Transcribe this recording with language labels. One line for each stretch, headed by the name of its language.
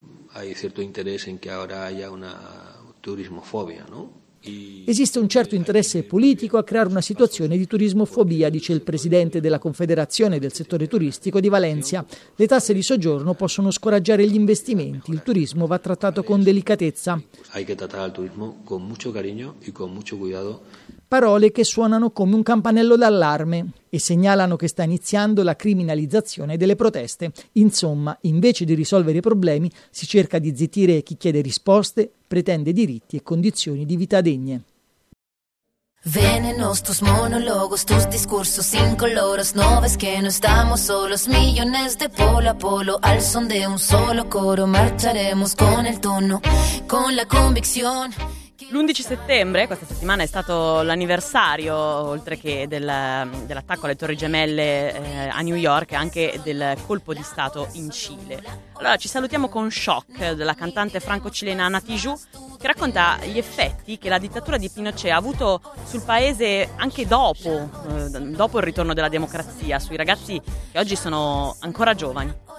Spanish: Hai certo interesse in che ora haya una... turismofobia, no?
Italian: Esiste un certo interesse politico a creare una situazione di turismofobia, dice il presidente della Confederazione del settore turistico di Valencia. Le tasse di soggiorno possono scoraggiare gli investimenti, il turismo va trattato con delicatezza.
Spanish: Hay que tratar al turismo con mucho cariño y con mucho cuidado.
Italian: Parole che suonano come un campanello d'allarme e segnalano che sta iniziando la criminalizzazione delle proteste. Insomma, invece di risolvere i problemi, si cerca di zittire chi chiede risposte, pretende diritti e condizioni di vita degne.
Spanish: Venenos tus monólogos, tus discursos incoloros, no ves que no estamos solos, millones de polo a polo, al son de un solo coro, marcharemos con el tono, con la convicción.
Italian: L'11 settembre, questa settimana, è stato l'anniversario, oltre che dell'attacco alle Torri Gemelle a New York, anche del colpo di Stato in Cile. Allora ci salutiamo con Shock, della cantante franco-cilena Ana Tijoux, che racconta gli effetti che la dittatura di Pinochet ha avuto sul paese anche dopo il ritorno della democrazia, sui ragazzi che oggi sono ancora giovani.